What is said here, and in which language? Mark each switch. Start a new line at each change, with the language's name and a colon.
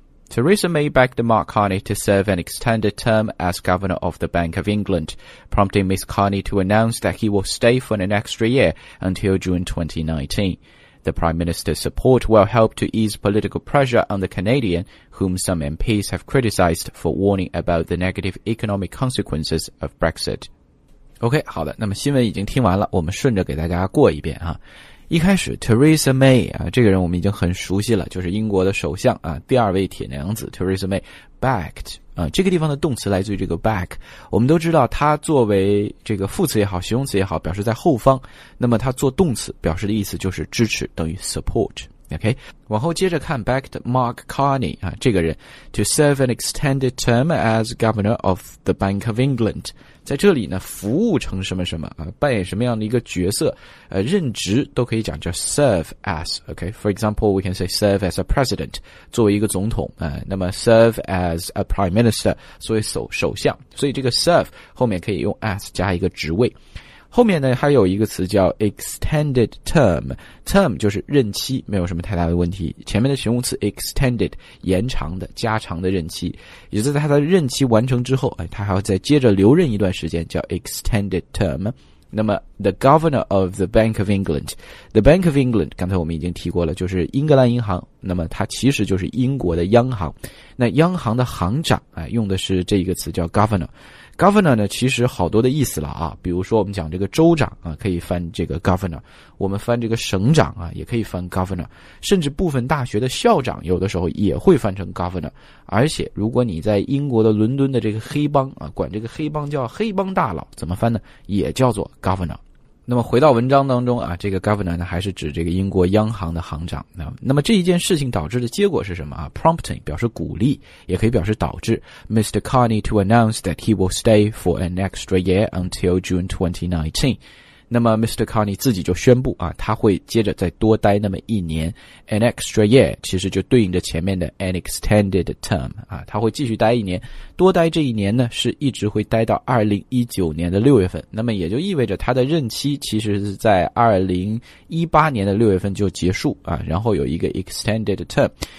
English: Theresa May begged Mark Carney to serve an extended term as Governor of the Bank of England, prompting Ms. Carney to announce that he will stay for an extra year until June 2019. The Prime Minister's support will help to ease political pressure on the Canadian, whom some MPs have criticised for warning about the negative economic consequences of Brexit.
Chinese: OK, 好的，那么新闻已经听完了，我们顺着给大家过一遍啊。一开始 Theresa May 啊，这个人我们已经很熟悉了，就是英国的首相啊，第二位铁娘子 Theresa May backed 啊，这个地方的动词来自于这个 back。我们都知道，它作为这个副词也好，形容词也好，表示在后方。那么它做动词表示的意思就是支持，等于 support。 OK， 往后接着看 backed Mark Carney 啊，这个人
English: to serve an extended term as governor of the Bank of England。
Chinese: 在这里呢，服务成什么什么啊，扮演什么样的一个角色，任职都可以讲叫 serve as。 OK，
English: for example, we can say serve as a president，
Chinese: 作为一个总统啊，那么
English: serve as a prime minister，
Chinese: 作为首相，所以这个 serve 后面可以用 as 加一个职位。后面呢还有一个词叫 extended term，term 就是任期，没有什么太大的问题。前面的形容词 extended， 延长的、加长的任期，也就是在他的任期完成之后，哎，他还要再接着留任一段时间，叫 extended term。那么 the governor of the Bank of England，the Bank of England 刚才我们已经提过了，就是英格兰银行，那么它其实就是英国的央行。那央行的行长，哎，用的是这一个词叫 governor。 Governor 呢其实好多的意思了啊，比如说我们讲这个州长啊可以翻这个 governor， 我们翻这个省长啊也可以翻 governor， 甚至部分大学的校长有的时候也会翻成 governor， 而且如果你在英国的伦敦的这个黑帮啊，管这个黑帮叫黑帮大佬，怎么翻呢，也叫做 governor。那么回到文章当中啊，这个 governor 呢还是指这个英国央行的行长。那么这一件事情导致的结果是什么啊？prompting 表示鼓励，也可以表示导致 Mr.
English: Carney to announce that he will stay for an extra year until June 2019。
Chinese: 那么 Mr. Carney 自己就宣布啊，他会接着再多待那么一年。 an extra year 其实就对应着前面的 an extended term 啊，他会继续待一年，多待这一年呢是一直会待到2019年的6月份，那么也就意味着他的任期其实是在2018年的6月份就结束啊，然后有一个 extended term。